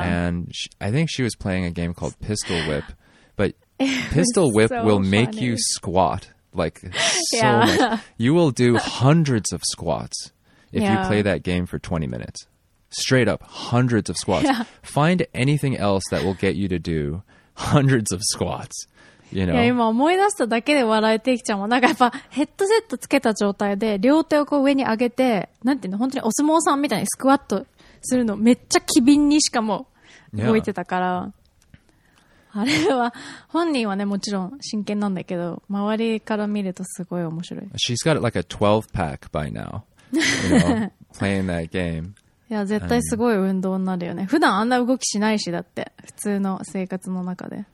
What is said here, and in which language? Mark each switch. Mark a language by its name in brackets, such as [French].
[English] And I think she was playing a game called Pistol Whip, but Pistol Whip will make you squat, like, so much. You will do hundreds of squats if you play that game for 20 minutes. Straight up, hundreds of squats. Yeah. Find anything else that will get you to do hundreds of squats. You know? [Japanese] いや今思い出しただけで笑えてきちゃうもん。なんかやっぱヘッドセットつけた状態で両手をこう上に上げて、なんていうの、本当にお相撲さんみたいにスクワットするのめっちゃ機敏にしかも動いてたから、あれは本人はねもちろん真剣なんだけど、周りから見るとすごい面白い。 [English] She's got like a 12 pack by now, you know, playing that game. [Japanese] いや絶対すごい運動になるよね。普段あんな動きしないし、だって普通の生活の中で。